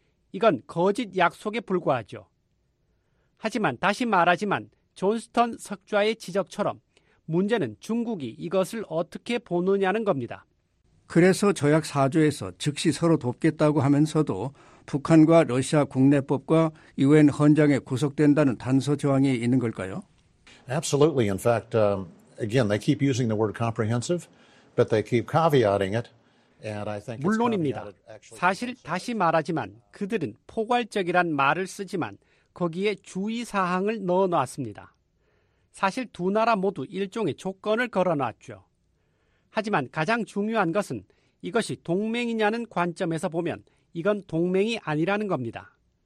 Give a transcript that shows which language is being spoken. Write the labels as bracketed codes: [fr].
[ko] 이건 거짓 약속에 불과하죠. 하지만 다시 말하지만 존스턴 석좌의 지적처럼 문제는 중국이 이것을 어떻게 보느냐는 겁니다. 그래서 조약 4조에서 즉시 서로 돕겠다고 하면서도 북한과 러시아 국내법과 유엔 헌장에 구속된다는 단서 조항이 있는 걸까요? [en] Absolutely. In fact, again, they keep using the word comprehensive, but they keep caveating it. And I think [ko] 물론입니다. 사실 다시 말하지만 그들은 포괄적이란 말을 쓰지만 거기에 주의 사항을 넣어 놨습니다. 사실 두 나라 모두 일종의 조건을 걸어놨죠. 하지만 가장 중요한 것은 이것이 동맹이냐는 관점에서 보면 이건 동맹이 아니라는 겁니다.